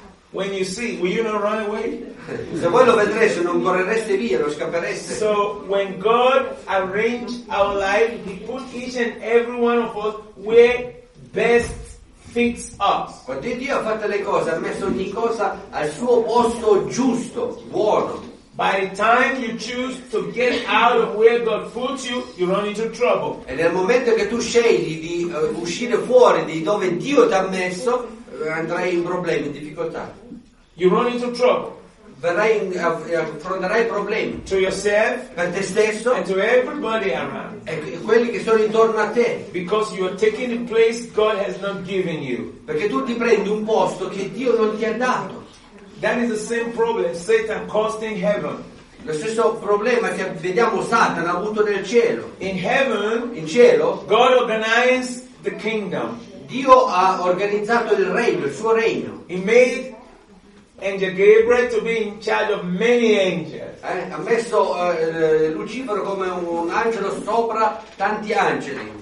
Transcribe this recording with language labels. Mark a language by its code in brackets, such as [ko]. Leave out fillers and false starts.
[en] When you see, will you not run away? [it] Se voi lo vedreste, non correreste via, non scappereste. [en] So when God arranged our life, He put each and every one of us where best fits us. [it] Quando Dio ha fatto le cose, ha messo ogni cosa al suo posto giusto, buono. [en] By the time you choose to get out of where God puts you, you run into trouble. [it] E nel momento che tu scegli di uscire fuori di dove Dio ti ha messo, andrai in problemi, in difficoltà. [en] You run into trouble. [it] Affronterai problemi. [en] To yourself. [it] Per te stesso. [en] And to everybody around. [it] E quelli che sono intorno a te. [en] Because you are taking the place God has not given you. [it] Perché tu ti prendi un posto che Dio non ti ha dato. [en] That is the same problem Satan caused in heaven. [it] Lo stesso problema che vediamo Satana ha avuto nel cielo. [en] In heaven, [it] in cielo, [en] God organized the kingdom. [it] Dio ha organizzato il regno, il suo regno. [en] He made Angel Gabriel to be in charge of many angels. [it] Ha messo Lucifero come un angelo sopra tanti angeli.